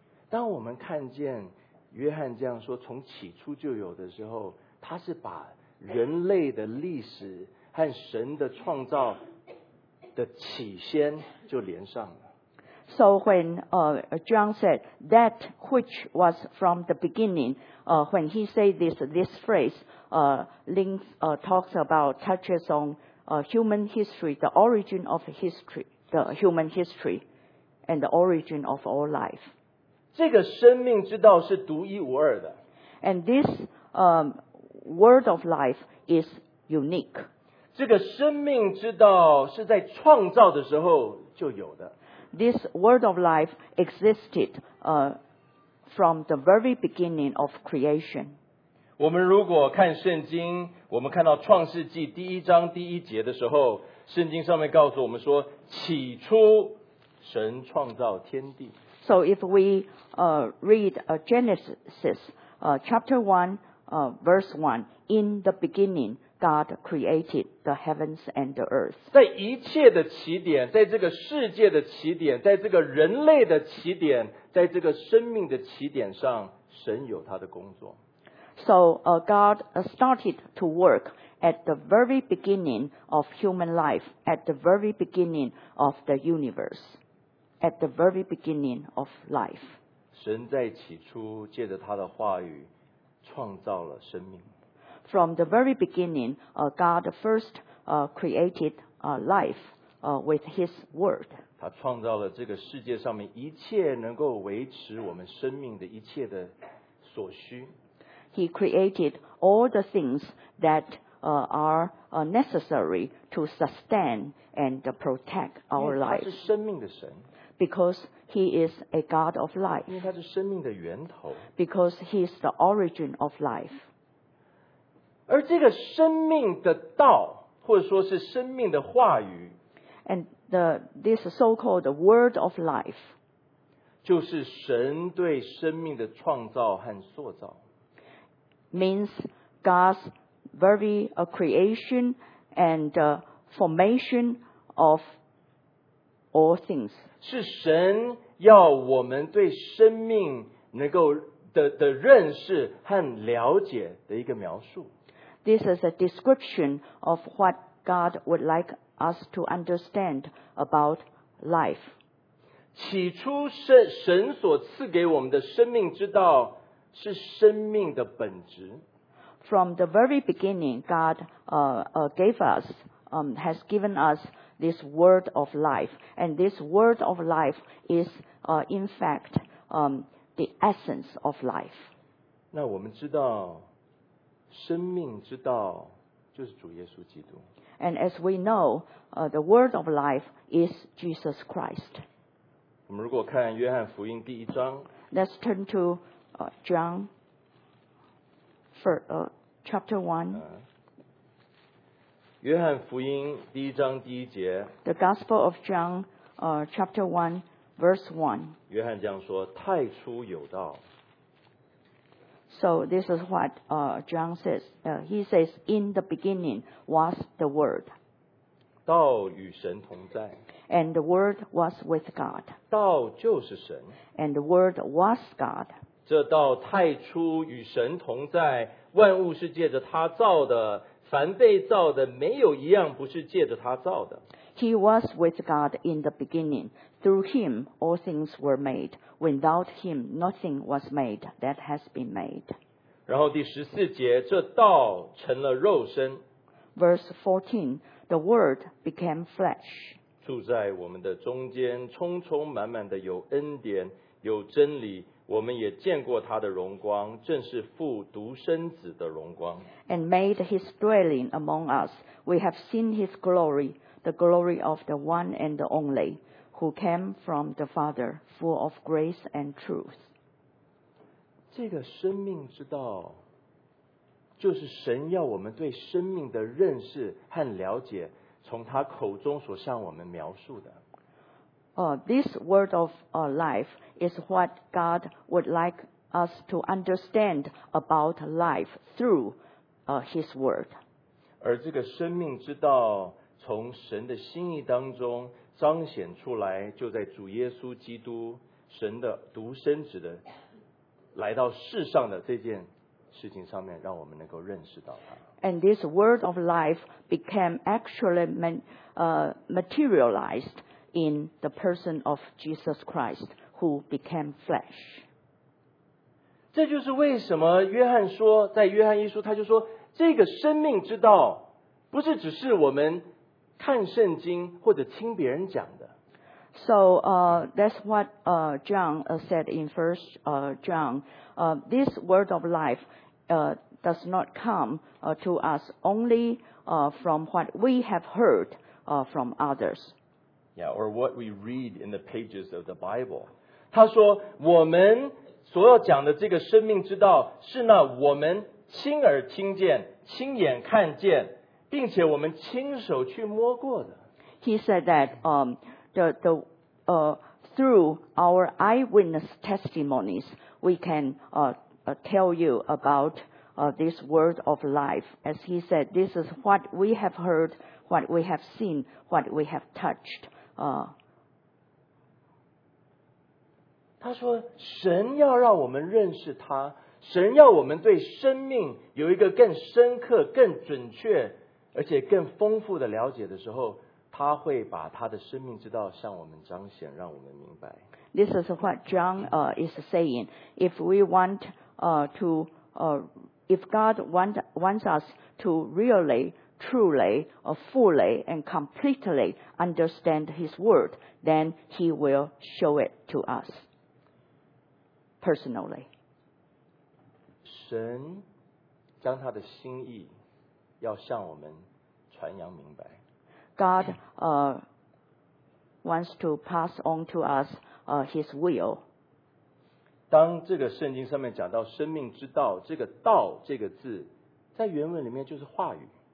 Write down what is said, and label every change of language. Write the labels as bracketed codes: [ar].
[zh] 当我们看见约翰这样说从起初就有的时候，他是把人类的历史和神的创造的起先就连上了。 [en] So when John said that which was from the beginning, when he said this phrase talks about touches on human history, the origin of history. The human history and the origin of all life. [zh] 这个生命之道是独一无二的。 [en] And this word of life is unique. [zh] 这个生命之道是在创造的时候就有的。 [en] This word of life existed from the very beginning of creation. [zh] 我们如果看圣经，我们看到创世纪第一章第一节的时候，圣经上面告诉我们说，起初神创造天地。 [en] So if we read Genesis chapter 1 verse 1, In the beginning God created the heavens and the earth. [zh] 在一切的起点，在这个世界的起点，在这个人类的起点，在这个生命的起点上，神有他的工作。 [en] So God started to workAt the very beginning of human life, at the very beginning of the universe, at the very beginning of life. [zh] 神在起初借着他的话语创造了生命。 [en] From the very beginning, God first created life with his word. [zh] 他创造了这个世界上面一切能够维持我们生命的一切的所需。 [en] He created all the things that are necessary to sustain and protect our life. [zh] 因为他是生命的神。 [en] Because he is a God of life. [zh] 因为他是生命的源头。 [en] Because he is the origin of life. [zh] 而这个生命的道，或者说是生命的话语。 [en] And this so-called word of life. [zh] 就是神对生命的创造和塑造。 [en] Means God's very creation and formation of all things. [zh] 是神要我们对生命能够 的认识和了解的一个描述。 [en] This is a description of what God would like us to understand about life. [zh] 起初 神所赐给我们的生命之道是生命的本质。 [en] From the very beginning, God gave us, has given us this word of life. And this word of life is, in fact, the essence of life. [zh] 那我们知道，生命之道就是主耶稣基督。 [en] And as we know, the word of life is Jesus Christ. [zh] 我们如果看约翰福音第一章。 [en] Let's turn to John, chapter 1. [zh] 约翰福音第一章第一节。 [en] The Gospel of John, chapter 1, verse 1. [zh] 约翰这样说，太初有道。 [en] So this is what John says. He says, in the beginning was the Word. [zh] 道与神同在。 [en] And the Word was with God. [zh] 道就是神。 [en] And the Word was God. [zh] 这道太初与神同在，万物是借着他造的，凡被造的没有一样不是借着他造的。 [en] He was with God in the beginning. Through him all things were made. Without him nothing was made that has been made. [zh] 然后第十四节，这道成了肉身。 [en] Verse 14, the word became flesh. [zh] 住在我们的中间，充充满满的有恩典，有真理。我们也见过他的荣光，正是父独生子的荣光。 [en] And made his dwelling among us. We have seen his glory, the glory of the one and the only, who came from the Father, full of grace and truth. [zh] 这个生命之道，就是神要我们对生命的认识和了解，从他口中所向我们描述的。 [en] This word of life is what God would like us to understand about life through His word. [zh] 而这个生命之道从神的心意当中彰显出来，就在主耶稣基督神的独生子的来到世上的这件事情上面，让我们能够认识到它。 [en] And this word of life became actually materialized. In the person of Jesus Christ, who became flesh. [zh] 这就是为什么约翰说，在约翰一书他就说，这个生命之道不是只是我们看圣经或者听别人讲的。 [en] So that's what John said in First John. This word of life does not come to us only from what we have heard from others. Yeah, or what we read in the pages of the Bible. [zh] 他说我们所要讲的这个生命之道是那我们亲耳听见、亲眼看见，并且我们亲手去摸过的。 [en] He said that through our eyewitness testimonies, we can tell you about this word of life. As he said, this is what we have heard, what we have seen, what we have touched. [zh] 他说神要让我们认识他，神要我们对生命有一个更深刻、更准确而且更丰富的了解的时候，他会把他的生命之道向我们彰显，让我们明白。 [en] This is what John is saying. If we want if God wants us to really truly, fully, and completely understand His word, then He will show it to us personally. [zh] 神将他的心意要向我们传扬明白。 [en] God wants to pass on to us His will. [zh] 当这个圣经上面讲到生命之道，这个道这个字，在原文里面就是话语。